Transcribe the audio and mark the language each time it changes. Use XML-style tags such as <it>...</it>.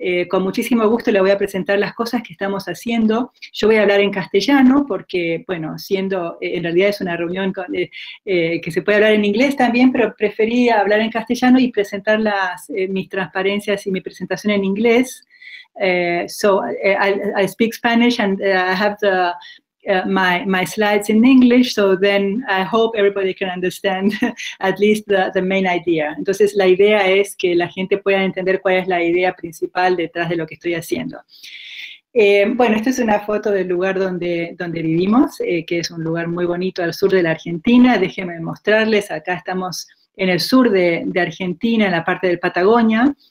<es>Con muchísimo gusto le voy a presentar las cosas que estamos haciendo. Yo voy a hablar en castellano porque, bueno, siendo en realidad es una reunión con, que se puede hablar en inglés también, pero preferí hablar en castellano y presentar mis transparencias y mi presentación en inglés.</es> <en>I speak Spanish and I have the my slides in English, so then I hope everybody can understand at least the main idea.</en> <es>Entonces, la idea es que la gente pueda entender cuál es la idea principal detrás de lo que estoy haciendo. Bueno, esta es una foto del lugar donde vivimos, que es un lugar muy bonito al sur de la Argentina. Déjenme mostrarles, acá estamos en el sur de Argentina, en la parte de Patagonia.</es>